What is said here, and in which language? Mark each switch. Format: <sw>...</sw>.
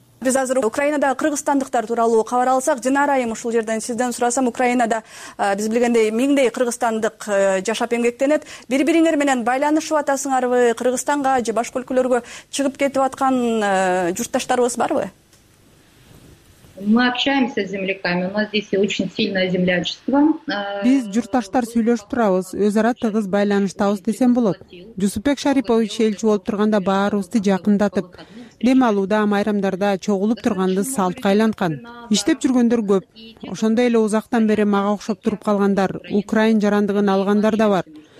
<ky>Биз азыр Украинадагы кыргызстандыктар тууралуу кабар алсак, Динара айым, ушул жерден сизден сурасам, Украинада биз билгендей миңдей кыргызстандык жашап эмгектенет. Бири бириңер менен байланышып атасыңарбы? Кыргызстанга же башка өлкөлөргө чыгып кетип аткан журтташтарыбыз барбы?</ky> <ru>Мы общаемся с земляками. У нас здесь очень сильное землячество.</ru> <ky>Биз журташтар сүйлөшүп турабыз, өз ара тыгыз байланыштабыз десем болот. Жусупбек Шарипович элчи болуп турганда баарыбызды жакындатып, дем алууда, майрамдарда чогулуп турганды салтка айланткан. Иштеп жүргөндөр көп. Ошондой эле узактан бери мага окшоп туруп калгандар, украин жарандыгын алгандар да бар.</ky>